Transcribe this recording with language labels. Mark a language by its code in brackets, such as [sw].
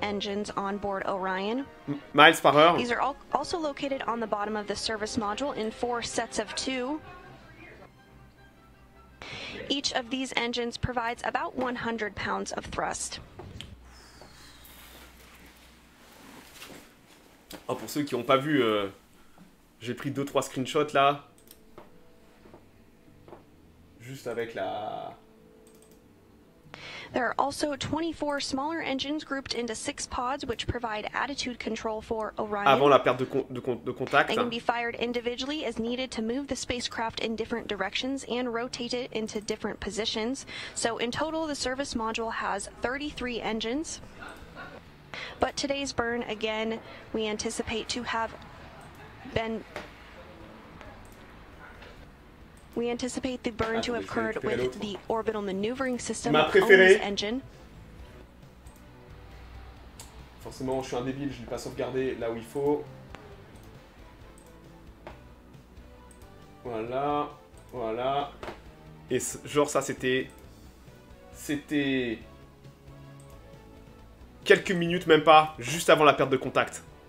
[en] engines on board Orion. [fr] Miles par heure. [en] These are also located on the bottom of the service module in 4 sets of 2. Each of these engines provides about 100 pounds of thrust. [fr] Oh, pour ceux qui n'ont pas vu, j'ai pris 2-3 screenshots là. Juste avec la... [en] There are also 24 smaller engines grouped into 6 pods which provide attitude control for Orion. [fr] Avant la perte de contact. [en] They can be fired individually as needed to move the spacecraft in different directions and rotate it into different positions. So in total, the service module has 33 engines. But today's burn, again, we anticipate to have been... We anticipate the burn to have occurred with the orbital maneuvering system engine. [fr] Forcément, je suis un débile, je ne l'ai pas sauvegardé là où il faut. Voilà, voilà. Et genre ça, c'était quelques minutes, même pas, juste avant la perte de contact.